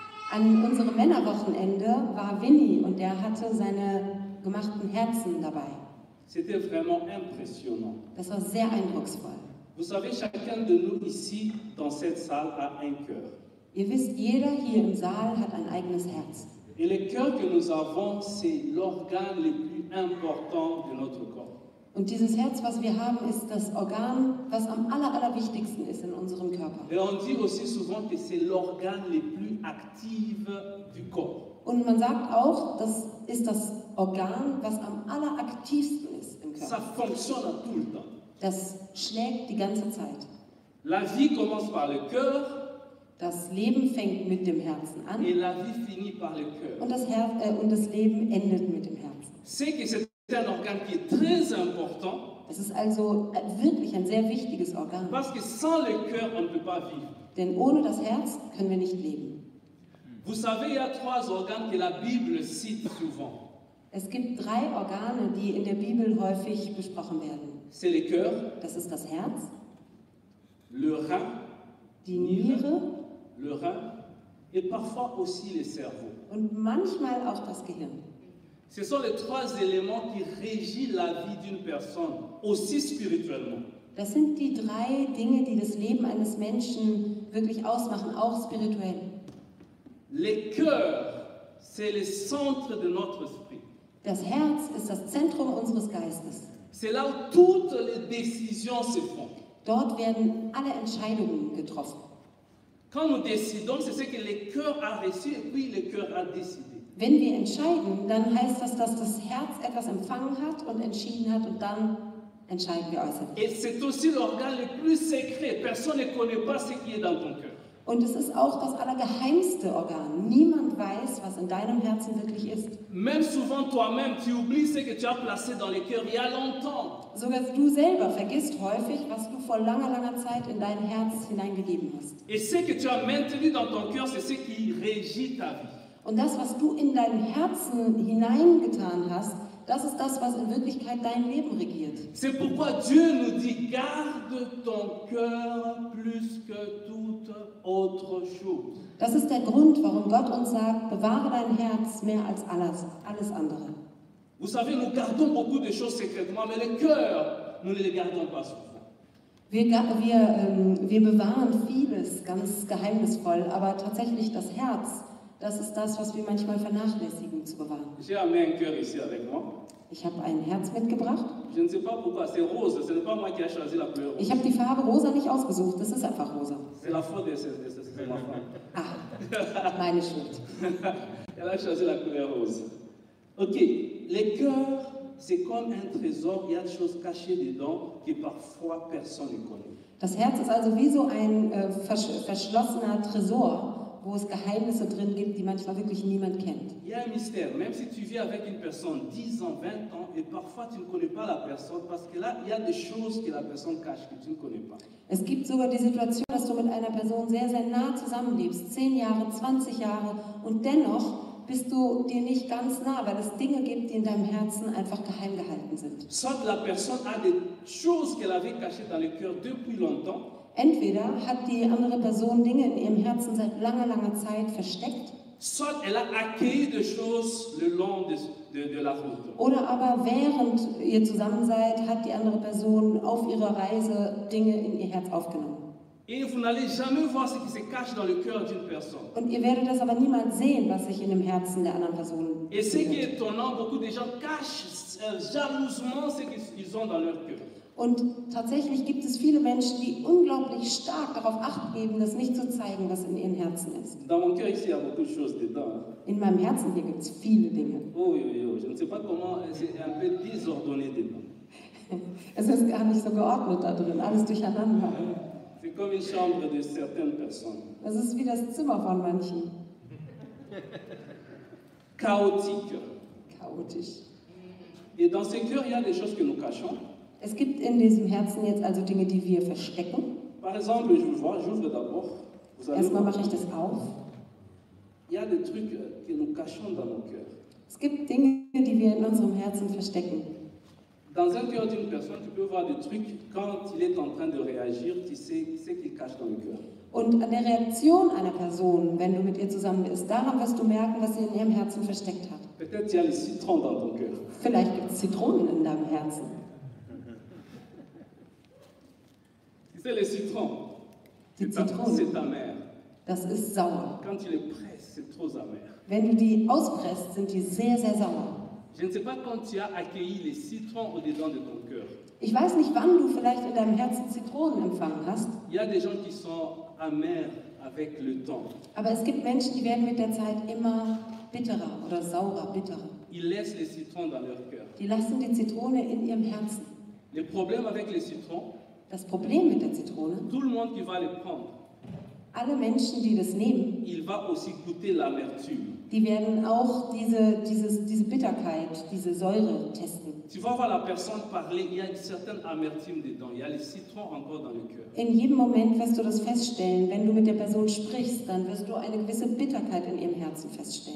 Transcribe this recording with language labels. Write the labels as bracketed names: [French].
[German] An unserem Männerwochenende war Winnie und er hatte seine gemachten Herzen dabei. [French] C'était vraiment impressionnant. [German] Das war sehr eindrucksvoll. [French] Vous savez, chacun de nous ici dans cette salle a un cœur. [German] Ihr wisst, jeder hier im Saal hat ein eigenes Herz. [French] Et le cœur que nous avons, c'est l'organe le plus important de notre corps. [German] Und dieses Herz, was wir haben, ist das Organ, was am allerwichtigsten ist in unserem Körper. [French] Et on dit aussi souvent que c'est l'organe le plus actif du corps. [German] Und man sagt auch, das ist das Organ, was am alleraktivsten ist im Körper. [French] Ça fonctionne tout le temps. [German] Das schlägt die ganze Zeit. [French] La vie commence par le cœur. [German] Das Leben fängt mit dem Herzen an. [French] Et la vie finit par le cœur. [German] Und das Herz, das Leben endet mit dem Herzen. [French] C'est que c'est un organe qui est très important. [German] Es ist also wirklich ein sehr wichtiges Organ. [French] Parce que sans le cœur, on ne peut pas vivre. [German] Denn ohne das Herz können wir nicht leben. [French] Vous savez, il y a trois organes que la Bible cite souvent. [German] Es gibt drei Organe, die in der Bibel häufig besprochen werden. [French] C'est le cœur. [German] Das ist das Herz. [French] Le rein. [German] Die Niere. [French] le rein et parfois aussi le cerveau. [German] Und manchmal auch das Gehirn. [French] Ce sont les trois éléments qui régissent la vie d'une personne, aussi spirituellement. [German] Das sind die drei Dinge, die das Leben eines Menschen wirklich ausmachen, auch spirituell. [French] Le cœur, c'est le centre de notre esprit. [German] Das Herz ist das Zentrum unseres Geistes. [French] C'est là où toutes les décisions se font. [German] Dort werden alle Entscheidungen getroffen. [French] Quand nous décidons, c'est ce que le cœur a reçu et puis le cœur a décidé. [German] Wenn wir entscheiden, dann heißt das, dass das Herz etwas empfangen hat und entschieden hat und dann entscheiden wir äußerlich. [French] Et c'est aussi l'organe le plus secret. Personne ne connaît pas ce qui est dans ton cœur. [German] Und es ist auch das allergeheimste Organ. Niemand weiß, was in deinem Herzen wirklich ist. [French] Même souvent toi-même, tu oublies ce que tu as placé dans le cœur il y a longtemps. [German] Sogar du selber vergisst häufig, was du vor langer, langer Zeit in dein Herz hineingegeben hast. [French] Et ce que tu as maintenu dans ton cœur, c'est ce qui régit ta vie. [German] Und das, was du in dein Herzen hineingetan hast, das ist das, was in Wirklichkeit dein Leben regiert. [French] C'est pourquoi Dieu nous dit, garde ton cœur plus que toute autre chose. [German] Das ist der Grund, warum Gott uns sagt, bewahre dein Herz mehr als alles andere. [French] Vous savez, nous gardons beaucoup de choses secrètement, mais le cœur, nous ne les gardons pas souvent. [German] Wir bewahren vieles ganz geheimnisvoll, aber tatsächlich das Herz, das ist das, was wir manchmal vernachlässigen zu bewahren. [French] J'ai amené un cœur ici avec moi. [German] Ich habe ein Herz mitgebracht. [French] Je ne sais pas pourquoi, c'est rose. Ce n'est pas moi qui a choisi la couleur. [German] Ich habe die Farbe rosa nicht ausgesucht, das ist einfach rosa. [French] C'est la faute de ma femme. [German] Ah, meine Schuld. [French] Elle a choisi la couleur rose. Ok, le cœur, c'est comme un trésor, il y a des choses cachées dedans que parfois personne ne connaît. [German] Das Herz ist also wie so ein verschlossener Tresor, wo es Geheimnisse drin gibt, die manchmal wirklich niemand kennt. [French] Il y a un mystère, même si tu vis avec une personne 10 ans, 20 ans, et parfois tu ne connais pas la personne, parce que là, il y a des choses que la personne cache, que tu ne connais pas. [German] Es gibt sogar die Situation, dass du mit einer Person sehr, sehr nah zusammenlebst, 10 Jahre, 20 Jahre, und dennoch bist du dir nicht ganz nah, weil es Dinge gibt, die in deinem Herzen einfach geheim gehalten sind. [French] Soit la personne a des choses qu'elle avait cachées dans le cœur depuis longtemps. [German] Entweder hat die andere Person Dinge in ihrem Herzen seit langer, langer Zeit versteckt. [French] Soit elle a accueilli des choses le long de la route. [German] Oder aber während ihr zusammen seid, hat die andere Person auf ihrer Reise Dinge in ihr Herz aufgenommen. [French] Et vous n'allez jamais voir ce qui se cache dans le cœur d'une personne. [German] Und ihr werdet das aber niemals sehen, was sich in dem Herzen der anderen Person befindet. [French] Et ce qui est étonnant, beaucoup de gens cachent jalousement ce qu'ils ont dans leur cœur. [German] Und tatsächlich gibt es viele Menschen, die unglaublich stark darauf Acht geben, das nicht zu zeigen, was in ihren Herzen ist. [French] Dans mon cœur, ici, il y a beaucoup de choses dedans. [German] In meinem Herzen hier gibt es viele Dinge. Oh, oh, oh. [French] Je ne sais pas comment, c'est un peu désordonné dedans. [German] Es ist gar nicht so geordnet da drin, alles durcheinander. [French] C'est comme une chambre de certaines personnes. [German] Das ist wie das Zimmer von manchen. [French] Chaotique. [German] Chaotisch. [French] Et dans ce cœur, il y a des choses que nous cachons. [German] Es gibt in diesem Herzen jetzt also Dinge, die wir verstecken. [French] Par exemple, je vois, j'ouvre d'abord. Vous allez [German] erstmal mache ich das auf. [French] Il y a des trucs que nous cachons dans nos cœurs. [German] Es gibt Dinge, die wir in unserem Herzen verstecken. [French] Dans un cœur d'une personne, tu peux voir des trucs quand il est en train de réagir, tu sais ce qu'il cache dans le cœur. [German] Und an der Reaktion einer Person, wenn du mit ihr zusammen bist, daran wirst du merken, was sie in ihrem Herzen versteckt hat. [French] Peut-être y a les citrons dans ton cœur. [German] Vielleicht gibt es Zitronen in deinem Herzen. [French] C'est le citron. C'est ta mère. [German] Das ist sauer. [French] Quand tu les presses, c'est trop amer. [German] Wenn du die auspresst, sind die sehr, sehr sauer. [French] Je ne sais pas quand tu as accueilli les citrons au dedans de ton cœur. [German] Ich weiß nicht, wann du vielleicht in deinem Herzen Zitronen empfangen hast. [French] Il y a des gens qui sont amers avec le temps. [German] Aber es gibt Menschen, die werden mit der Zeit immer bitterer oder saurer, bitterer. [French] Ils laissent les citrons dans leur cœur. [German] Die lassen die Zitrone in ihrem Herzen. [French] Le problème avec les citrons. [German] Das Problem mit der Zitrone, [French] tout le monde qui va le prendre, [German] alle Menschen, die das nehmen, [French] il va aussi goûter l'amertume. [German] Die werden auch diese Bitterkeit, diese Säure testen. [French] Tu vas voir la personne parler, il y a une certaine amertume dedans, il y a les citrons encore dans le cœur. [German] In jedem Moment wirst du das feststellen, wenn du mit der Person sprichst, dann wirst du eine gewisse Bitterkeit in ihrem Herzen feststellen.